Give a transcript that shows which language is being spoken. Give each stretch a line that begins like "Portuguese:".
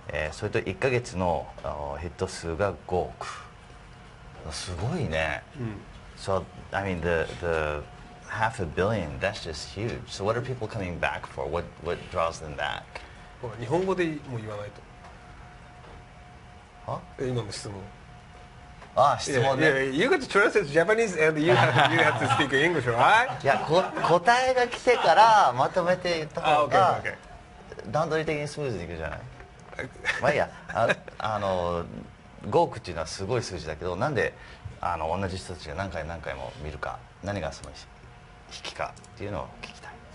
Japanese: それと1ヶ月のヒット数が5億すごいね、うん、
English: So I mean the half a billion that's just huge. So what are people coming back for? What draws them back?
Japanese: 日本語でも言わないと。は？今の質問。ああ質問ね。
English: Yeah, you got to translate Japanese and you have to speak English, right?
Japanese: いや答えが来てからまとめて言った方が段取り的にスムーズにいくじゃない。まあいいや、あの5億っていうのはすごい数字だけど、なんであの同じ人たちが何回何回も見るか、何がその引きかっていうのを聞きたい。